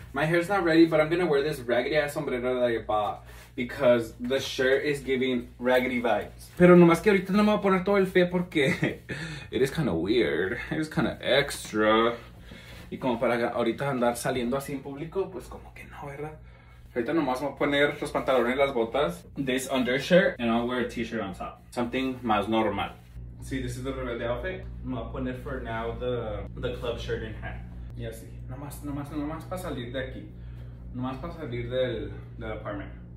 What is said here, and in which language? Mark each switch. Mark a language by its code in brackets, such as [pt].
[en] My hair's not ready, but I'm gonna wear this raggedy ass sombrero that I bought because the shirt is giving raggedy vibes. [es] Pero nomás que ahorita no me voy a poner todo el fe porque [en] it is kind of weird. It is kind of extra. [es] Y como para ahorita andar saliendo así en público, pues como que no, ¿verdad? Ahorita nomás voy a poner los pantalones y las botas. [en] This undershirt, and I'll wear a t-shirt on top. Something [es] más normal. [en] See, this is the Rebelde outfit. I'm gonna put it for now the club shirt and hat. Yeah, see. [es] Nomás para salir de aquí. Nomás para salir del apartment.